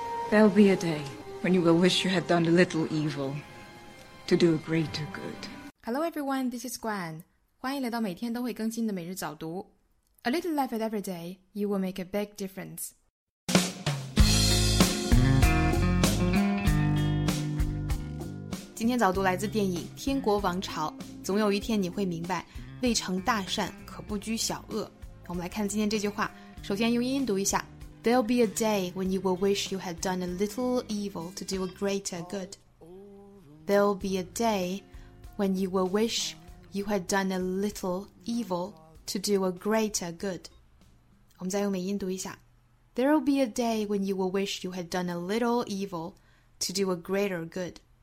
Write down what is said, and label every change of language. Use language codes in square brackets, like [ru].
[en] There'll be a day when you will wish you had done a little evil to do a greater good. Hello everyone, this is Gwen. [zh] 欢迎来到每天都会更新的每日早读。 [en] A little effort every day, you will make a big difference. [zh] 今天早读来自电影《天国王朝》，总有一天你会明白，未成大善可不拘小恶。我们来看今天这句话，首先用英音读一下。 [en] There'll be a day when you will wish you had done a little evil to do a greater good. There'll be a day when you will wish you had done a little evil to do a greater good. [zh] 我们再用美音读一下。 [en] There'll be a day when you will wish you had done a little evil to do a greater good.